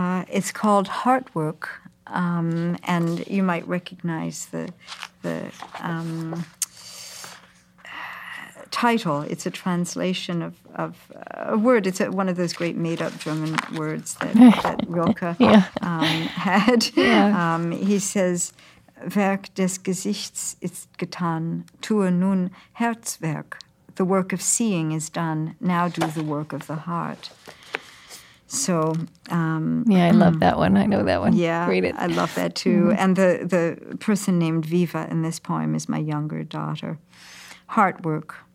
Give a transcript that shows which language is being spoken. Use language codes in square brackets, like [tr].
[en] It's called Heartwork, and you might recognize the title. It's a translation of a word. It's one of those great made-up German words that Rilke had. Yeah. He says, [de] Werk des Gesichts ist getan, tue nun Herzwerk. [en] The work of seeing is done, now do the work of the heart. So, yeah, I love that one. I know that one. Yeah, read it. I love that too. Mm-hmm. And the person named Viva in this poem is my younger daughter. Heartwork.